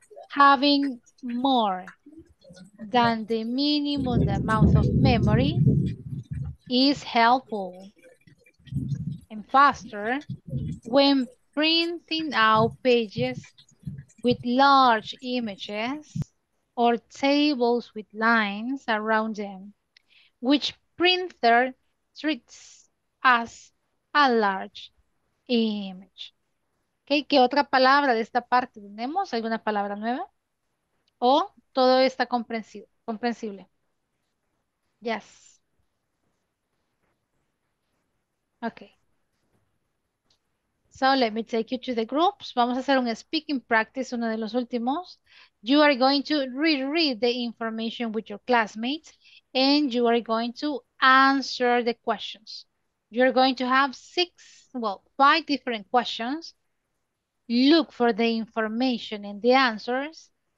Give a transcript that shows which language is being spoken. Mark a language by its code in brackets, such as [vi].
[en] Having more than the minimum amount of memory is helpful and faster when printing out pages with large images or tables with lines around them, which printer treats as a large image. [es] Okay, ¿qué otra palabra de esta parte tenemos? ¿Alguna palabra nueva? ¿O todo está comprensible? [en] Yes. Okay. So let me take you to the groups. [es] Vamos a hacer un speaking practice, uno de los últimos. [en] You are going to reread the information with your classmates and you are going to answer the questions. You are going to have 5 different questions. Look for the information and the answers